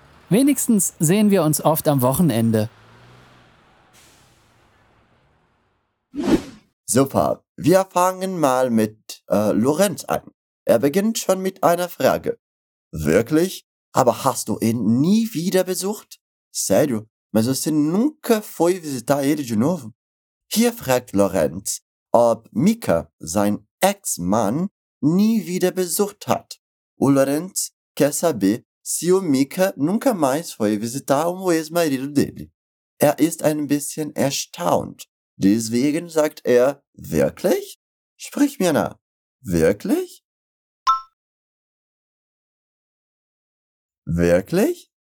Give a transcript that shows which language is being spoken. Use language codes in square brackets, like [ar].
[de] Wenigstens sehen wir uns oft am Wochenende. Super, wir fangen mal mit Lorenz an. Er beginnt schon mit einer Frage. Wirklich? Aber hast du ihn nie wieder besucht? [pt] Sério? Mas você nunca foi visitar ele de novo? [de] Hier fragt Lorenz, ob Mika, sein Ex-Mann, nie wieder besucht hat. [pt] O Lorenz quer saber se o Mika nunca mais foi visitar o ex-marido dele. [de] Er ist ein bisschen erstaunt. Deswegen sagt er, wirklich? Sprich mir nach. Wirklich? Wirklich?